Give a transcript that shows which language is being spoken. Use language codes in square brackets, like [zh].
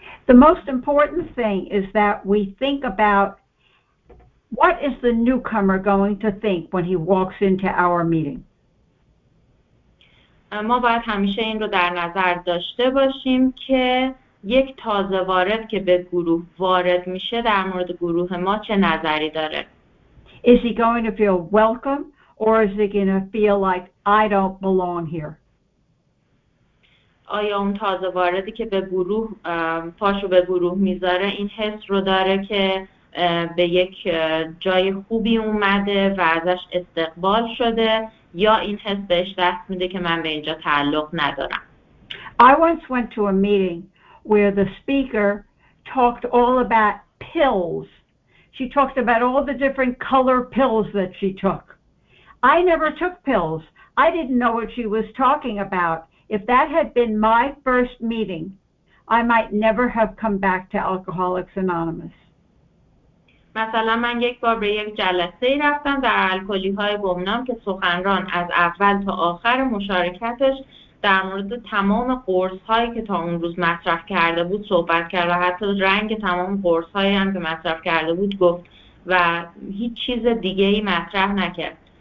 [en] The most important thing is that we think about what is the newcomer going to think when he walks into our meeting. [fa] ما باید همیشه این رو در نظر داشته باشیم که یک تازه وارد که به گروه وارد میشه در مورد گروه ما چه نظری داره. [en] Is he going to feel welcome or is he going to feel like I don't belong here? [fa] آیا اون تازه واردی که به گروه پاشو به گروه میذاره این حس رو داره که به یک جای خوبی اومده و ازش استقبال شده، یا این حس بهش دست میده که من به اینجا تعلق ندارم؟ [en] I once went to a meeting where the speaker talked all about pills. She talked about all the different color pills that she took. I never took pills. I didn't know what she was talking about. If that had been my first meeting, I might never have come back to Alcoholics Anonymous. [fa] مثلا من یک بار به یک جلسه رفتم در الکلی‌های گمنام که سخنران از اول تا آخر مشارکتش در مورد تمام قرص‌هایی که تا اون روز مصرف کرده بود صحبت کرد و حتی رنگ تمام قرص‌هایی هم که مصرف کرده بود گفت و هیچ چیز دیگه‌ای مطرح نکرد